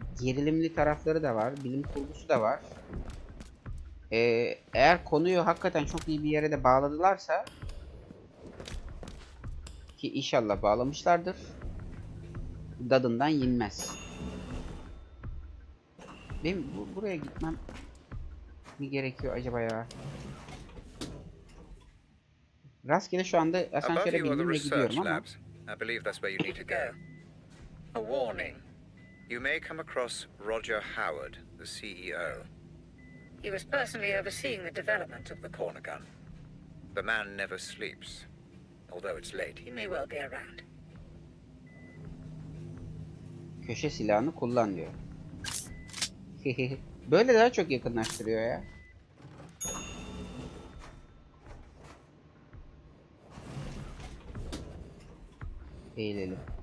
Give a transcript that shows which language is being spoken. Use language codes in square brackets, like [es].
[tr] Gerilimli tarafları da var. Bilim kurgusu da var. Eğer konuyu hakikaten çok iyi bir yere de bağladılarsa, ki inşallah bağlamışlardır, dadından yenmez. Benim buraya gitmem mi gerekiyor acaba ya? Rastgele şu anda asansöre bindiğimde gidiyorum ama. [en] I believe that's where you need to go. A warning. You may come across Roger Howard, the CEO. He was personally overseeing the development of the corner gun. The man never sleeps. Although it's late, he may well be around. [tr] Köşe silahını kullan diyor. Böyle daha çok yakınlaştırıyor ya. Eğilelim.